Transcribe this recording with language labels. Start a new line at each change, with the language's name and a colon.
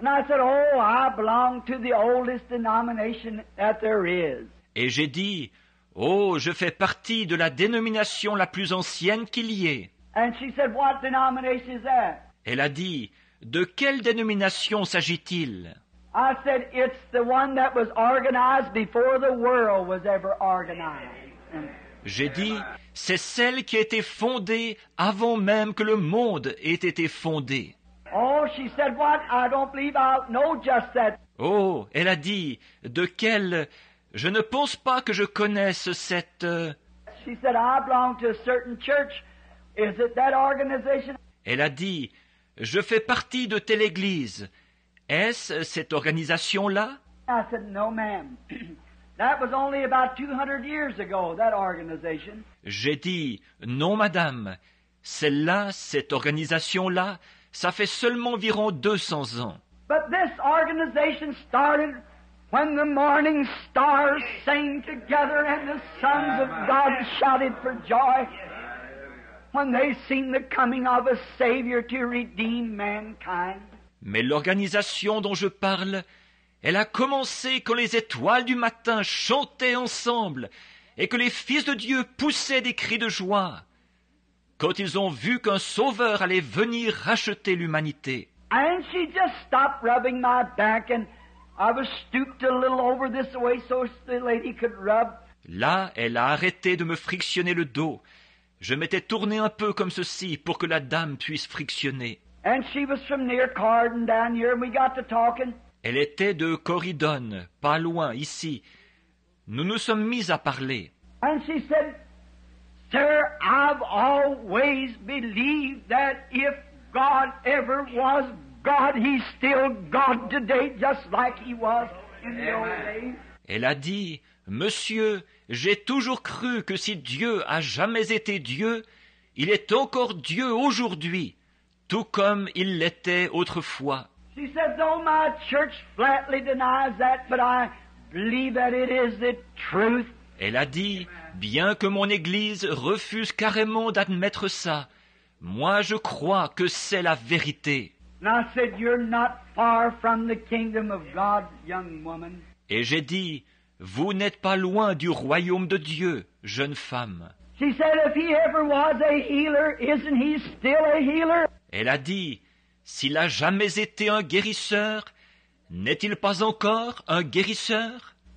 English: And I said, "Oh, I belong to the oldest denomination that there is."
French: Et j'ai dit, « Oh, je fais partie de la dénomination la plus ancienne qu'il y ait. »
English: And she said, "What denomination is that?"
French: Elle a dit, « De quelle dénomination s'agit-il ?»
English: I said, "It's the one that was organized before the world was ever organized."
French: J'ai dit, « C'est celle qui a été fondée avant même que le monde ait été fondé. »
English: Oh, she said, "What? I don't believe I know just that."
French: Oh, elle a dit, « De quelle... Je ne pense pas que je connaisse cette... »
English: She said, "I belong to a certain church. Is it that organization?"
French: Elle a dit, « Je fais partie de telle église. Est-ce cette organisation-là? »
English: I said, "No, ma'am. That was only about 200 years ago, that organization."
French: J'ai dit, « Non, madame. Celle-là, cette organisation-là, ça fait seulement environ 200 ans. »
English: But this organization started when the morning stars sang together and the sons of God shouted for joy. When they seen the coming of a Savior to redeem mankind.
French: Mais l'organisation dont je parle, elle a commencé quand les étoiles du matin chantaient ensemble et que les fils de Dieu poussaient des cris de joie quand ils ont vu qu'un Sauveur allait venir racheter l'humanité.
English: And she just stopped rubbing my back and I was stooped a little over this way so the lady could rub.
French: Là, elle a arrêté de me frictionner le dos. Je m'étais tourné un peu comme ceci pour que la dame puisse frictionner.
English: And she was from near Cardin down here and we got to talking.
French: Elle était de Corydon, pas loin, ici. Nous nous sommes mis à parler.
English: And she said, Sir, I've always believed that if God ever was God, he's still God today, just like he was in the old days.
French: Elle a dit, Monsieur, j'ai toujours cru que si Dieu a jamais été Dieu, il est encore Dieu aujourd'hui, tout comme il l'était autrefois.
English: She said, though my church flatly denies that, but I believe that it is the truth.
French: Elle a dit, bien que mon église refuse carrément d'admettre ça, moi je crois que c'est la vérité.
English: And I said, you're not far from the kingdom of God, young woman.
French: Et j'ai dit, vous n'êtes pas loin du royaume de Dieu, jeune femme.
English: She said, if he ever was a healer, isn't he still a healer?
French: Elle a dit, s'il a jamais été un guérisseur, n'est-il pas encore un guérisseur?